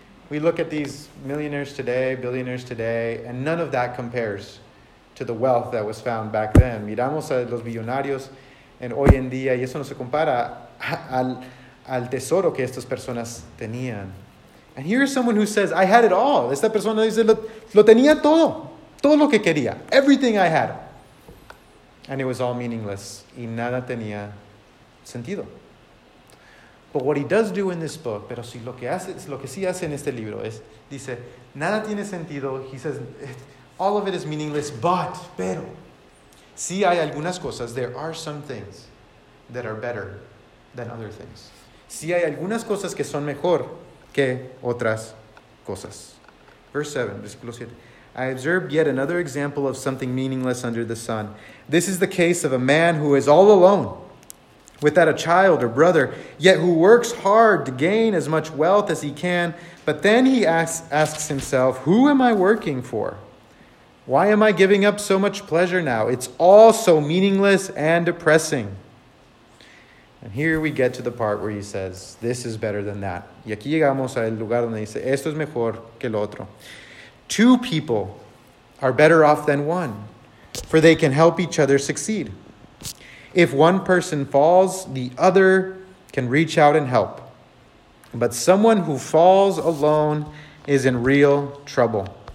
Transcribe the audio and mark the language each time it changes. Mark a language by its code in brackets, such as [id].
[en] We look at these millionaires today, billionaires today, and none of that compares to the wealth that was found back then. [es] Miramos a los billonarios en hoy en día, y eso no se compara al tesoro que estas personas tenían. [en] And here is someone who says, I had it all. [es] Esta persona dice, lo tenía todo. Todo lo que quería. [en] Everything I had. And it was all meaningless. [es] Y nada tenía sentido. [en] But what he does do in this book, [es] pero si lo que hace, lo que sí hace en este libro es, dice, nada tiene sentido. [en] He says, all of it is meaningless, but, [es] pero, si hay algunas cosas, [en] there are some things that are better than other things. [es] Si hay algunas cosas que son mejor que otras cosas. [en] Verse 7, [es] versículo 7. [en] I observed yet another example of something meaningless under the sun. This is the case of a man who is all alone, without a child or brother, yet who works hard to gain as much wealth as he can. But then he asks himself, who am I working for? Why am I giving up so much pleasure now? It's all so meaningless and depressing. And here we get to the part where he says, this is better than that. [es] Y aquí llegamos al lugar donde dice, esto es mejor que lo otro. [en] Two people are better off than one, for they can help each other succeed. If one person falls, the other can reach out and help. But someone who falls alone is in real trouble.